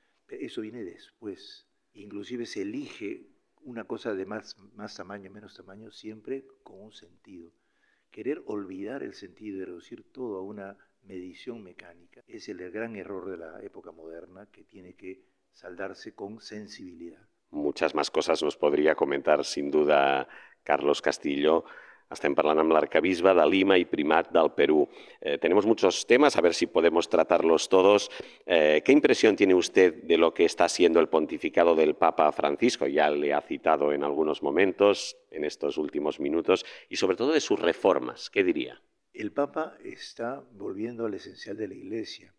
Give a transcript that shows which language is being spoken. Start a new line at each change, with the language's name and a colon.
Spanish: Eso viene después. Inclusive se elige una cosa de más tamaño, menos tamaño, siempre con un sentido. Querer olvidar el sentido y reducir todo a una medición mecánica es el gran error de la época moderna, que tiene que saldarse con sensibilidad. Muchas más cosas nos podría comentar, sin duda, Carlos Castillo.
Catalan: Estem parlant amb l'arcabisbe de Lima i primat del Perú.
Spanish: Tenemos muchos temas, a ver si podemos tratarlos todos. ¿Qué impresión tiene usted de lo que está siendo el pontificado del Papa Francisco? Ya le ha citado en algunos momentos, en estos últimos minutos, y sobre todo de sus reformas, ¿qué diría? El Papa está volviendo al esencial de la Iglesia.